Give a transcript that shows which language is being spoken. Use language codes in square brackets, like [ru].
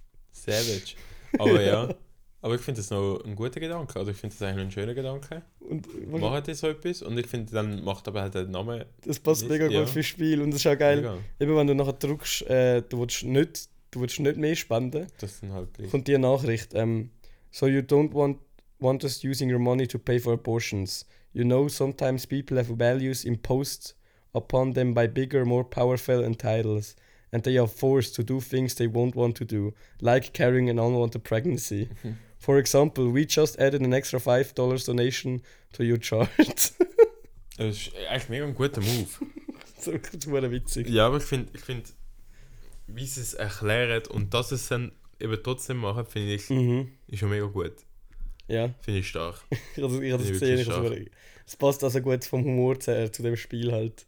[de] Savage. Aber ja. Aber ich finde das noch ein guter Gedanke. Also ich finde das eigentlich ein schöner Gedanke. Und machen die so etwas? Und ich finde, dann macht aber halt der Name. Das passt mega gut fürs Spiel. Und das ist auch geil. Mega. Eben wenn du nachher drückst, du willst nicht mehr spenden. Das sind halt gleich. Kommt dir Nachricht. [en] So you don't want us using your money to pay for abortions. You know, sometimes people have values imposed upon them by bigger, more powerful entitles. And they are forced to do things they won't want to do, like carrying an unwanted pregnancy. For example, we just added an extra $5 donation to your chart. [de] Das ist eigentlich mega ein guter Move. So super witzig. Ja, aber ich find, wie sie es erklären und dass es dann eben trotzdem machen, finde ich, ist schon mega gut. Ja. Finde ich stark. Ich habe das gesehen. Es passt also gut vom Humor zu dem Spiel halt.